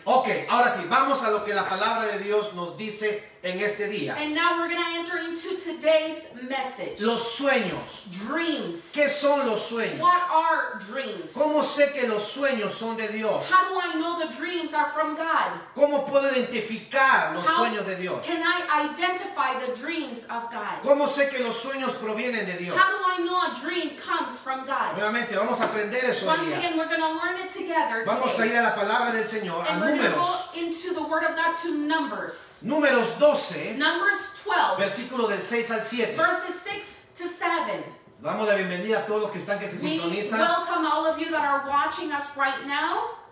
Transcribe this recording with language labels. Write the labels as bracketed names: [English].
[Spanish] Okay, ahora sí, vamos a lo que la palabra de Dios nos dice en este día. [English] And now we're going to enter into today's message. [Spanish] Los sueños. [English] Dreams. [Spanish] ¿Qué son los sueños? [English] What are dreams? [Spanish] ¿Cómo sé que los sueños son de Dios? [English] How do I know the dreams are from God? [Spanish] ¿Cómo puedo identificar los [English] How [Spanish] sueños de Dios? [English] Can I identify the dreams of God? [Spanish] ¿Cómo sé que los sueños provienen de Dios? [English] How do I know a dream comes from God? [Spanish] Nuevamente, vamos a aprender eso [English] Once again, we're going to learn it together [Spanish] Vamos a ir a la palabra del Señor, [English] and [Spanish] a Números. [English] And we're going to go into the word of God to Numbers. [Spanish] Números 12, [English] Numbers 12, [Spanish] versículo del 6 al 7. [English] Verses 6 to 7. [Spanish] Damos la bienvenida a todos los que están que se sintonizan. [English] We welcome all of you that are watching us right now.